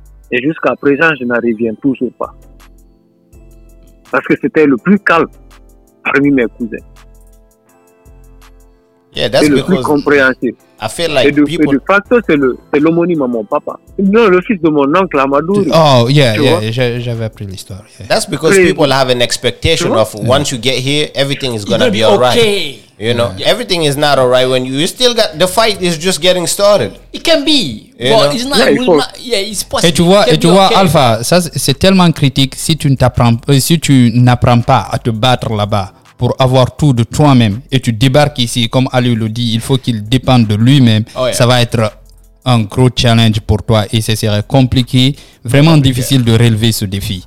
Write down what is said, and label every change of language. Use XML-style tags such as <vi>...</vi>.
<fr>Et jusqu'à présent, je n'en reviens toujours pas. Parce que c'était le plus calme parmi mes cousins.</fr> <en>Yeah, that's</en> <fr>c'est le plus compréhensible.</fr> <en>I feel like</en> <fr>et de facto, c'est l'homonyme à mon papa. Non, le fils de mon oncle, Amadou. J'avais appris l'histoire. Yeah.</fr> <en>That's because people have an expectation of once you get here, everything is going to be all right. Okay. You know, everything is not all right when you still got... The fight is just getting started. It can be.</en> <fr>Et tu vois, Alpha, ça, c'est tellement critique si tu n'apprends pas à te battre là-bas. Pour avoir tout de toi-même et tu débarques ici, comme Ali le dit, il faut qu'il dépende de lui-même.</fr> <en>Oh yeah.</en> <fr>Ça va être un gros challenge pour toi et ce serait compliqué, vraiment difficile de relever ce défi.</fr>